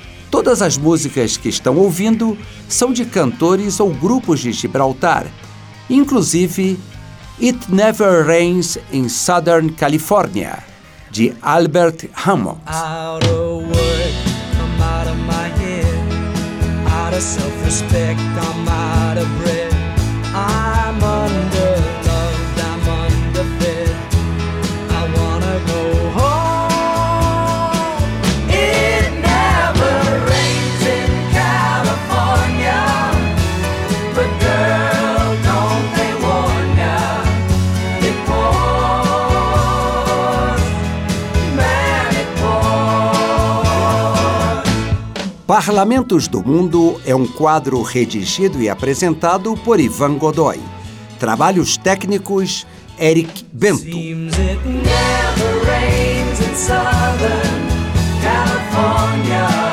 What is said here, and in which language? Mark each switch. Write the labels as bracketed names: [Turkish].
[Portuguese] Todas as músicas que estão ouvindo são de cantores ou grupos de Gibraltar, inclusive It Never Rains in Southern California, de Albert Hammond. [English] Self-respect, I'm out of breath. I'm underloved, I'm underfed. I wanna go home. It never rains in California, but girl, don't they warn ya? It pours, man, it pours. [Portuguese] Parlamentos do Mundo é um quadro redigido e apresentado por Ivan Godoy. Trabalhos técnicos, Eric Bento. [English] Seems it never rains in Southern California.